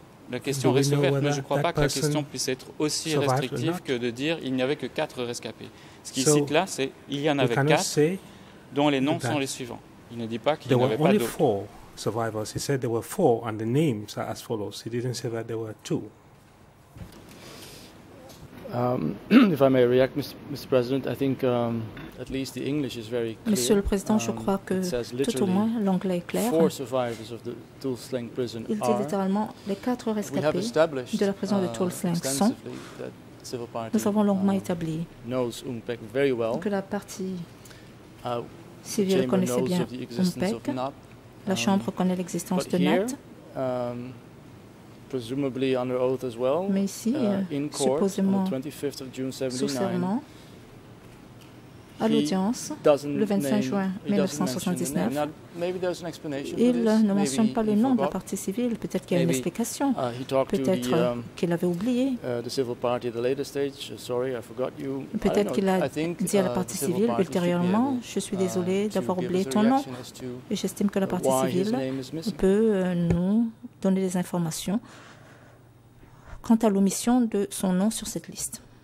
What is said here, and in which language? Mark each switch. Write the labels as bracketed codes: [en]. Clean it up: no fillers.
[fr] La question reste ouverte, mais je ne crois pas que la question puisse être aussi restrictive que de dire qu'il n'y avait que quatre rescapés. Ce qu'il cite là, c'est qu'il y en avait quatre, dont les noms sont les suivants. Il ne dit pas qu'il n'y en avait pas d'autres. Il y avait quatre [en] survivors. [fr] Il a dit qu'il y en avait quatre, et les noms sont comme [en] follows. [fr] Il n'a pas dit qu'il y en avait deux. [en] If I may react, Mr. President, I think at least the English is very clear. [fr] Monsieur le Président, je crois que tout au moins l'anglais est clair. [en] Four survivors of the Tulsling prison [fr] Il dit littéralement les quatre rescapés de la prison de Tulsling sont. Nous avons longuement établi que la partie civile connaissait bien Umpek. La Chambre connaît l'existence de Nat. [en] Presumably under oath as well, [fr] mais ici, [en] in court, [fr] supposément, [en] on the 25th of June 79, [fr] à l'audience, le 25 juin 1979, il ne mentionne pas le nom de la partie civile, peut-être qu'il y a une explication, peut-être qu'il l'avait oublié, peut-être qu'il a dit à la partie civile ultérieurement, je suis désolé d'avoir oublié ton nom, et j'estime que la partie civile peut nous donner des informations quant à l'omission de son nom sur cette liste.